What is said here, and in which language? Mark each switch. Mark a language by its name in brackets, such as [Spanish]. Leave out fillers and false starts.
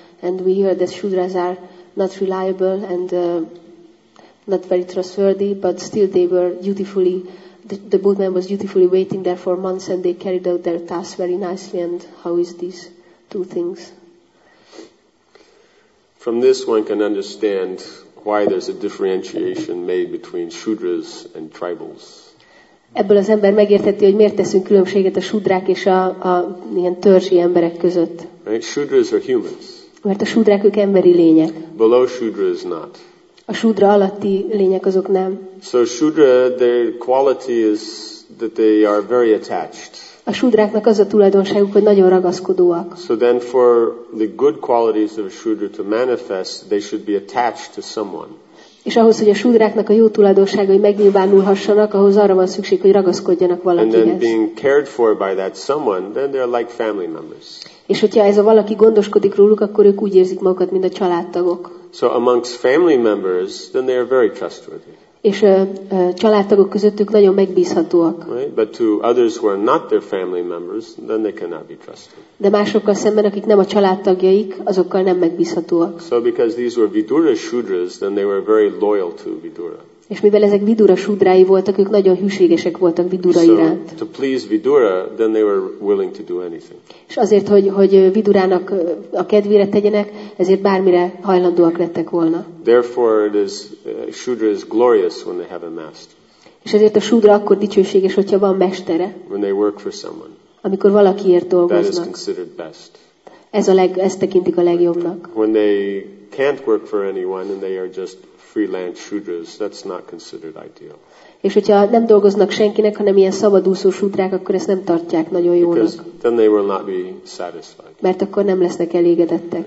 [English] And we hear that Shudras are not reliable and not very trustworthy, but still they were dutifully, the boatman was dutifully waiting there for months and they carried out their tasks very nicely. And how is these two things? From this one can understand why there's a differentiation made between Shudras and tribals. [Hungarian] Ebből az ember megértheti, hogy miért teszünk különbséget a Shudrák és a ilyen törzsi emberek között. [English] Right? Shudras are humans. [Hungarian] Mert a Shudrák, ők emberi lények. [English] Below Shudra is not. [Hungarian] A Shudra alatti lények azok nem. [English] So Shudra, their quality is that they are very attached. [Hungarian] A Shudráknak az a tulajdonságuk, hogy nagyon ragaszkodóak. [English] So then for the good qualities of a Shudra to manifest, they should be attached to someone. [Hungarian] És ahhoz, hogy a Shudráknak a jó tulajdonságai megnyilvánulhassanak, ahhoz arra van szükség, hogy ragaszkodjanak valakihez. [English] And then being cared for by that someone, then they're like family members. [Hungarian] És hogyha ez a valaki gondoskodik róluk, akkor ők úgy érzik magukat, mint a családtagok. [English] So amongst family members, then they are very trustworthy. [Hungarian] És családtagok közöttük nagyon megbízhatóak. [English] Right? But to others who are not their family members, then they cannot be trusted. [Hungarian] De másokkal szemben, akik nem a családtagjaik, azokkal nem megbízhatóak. [English] So because these were Vidura Shudras, then they were very loyal to Vidura. [Hungarian] És mivel ezek Vidura súdrái voltak, ők nagyon hűségesek voltak Vidura iránt. [English] To please Vidura, then they were willing to do anything. [Hungarian] És azért, hogy Vidurának a kedvére tegyenek, ezért bármire hajlandóak lettek volna. [English] Therefore it is Shudra's glorious when they have a master. [Hungarian] És ezért a Shudra akkor dicsőséges, hogyha van mestere. [English] When they work for someone. [Hungarian] Amikor valakiért dolgoznak. [English] That is considered best. [Hungarian] Ez tekintik a legjobbnak. [English] When they can't work for anyone and they are just freelance shudras, that's not considered ideal. [Hungarian] És hogyha nem dolgoznak senkinek, hanem ilyen szabadúszó sútrák, akkor ezt nem tartják nagyon jónak. [English] Because then they will not be satisfied. [Hungarian] Mert akkor nem lesznek elégedettek.